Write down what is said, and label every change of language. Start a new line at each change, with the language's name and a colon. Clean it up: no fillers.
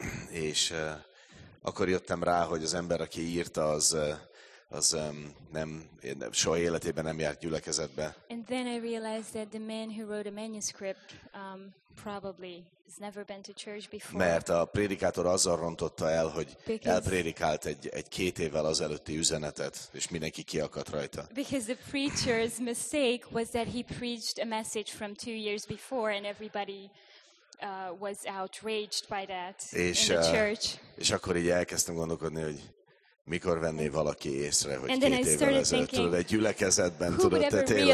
Hungarian: És akkor jöttem rá, hogy az ember, aki írta, az nem soha életében nem járt gyülekezetbe.
English: And then I realized that the man who wrote a manuscript probably has never been to church before.
Hungarian: Mert a prédikátor azzal rontotta el, hogy elprédikált egy két évvel azelőtti üzenetet, és mindenki kiakadt rajta.
English: Because the preacher's mistake was that he preached a message from 2 years before and everybody was outraged by that
Hungarian: és,
English: in the church.
Hungarian: És akkor így elkezdtem gondolkodni, hogy mikor venné valaki észre, hogy két évvel ezelőtt, tudod, egy gyülekezetben, tudod, te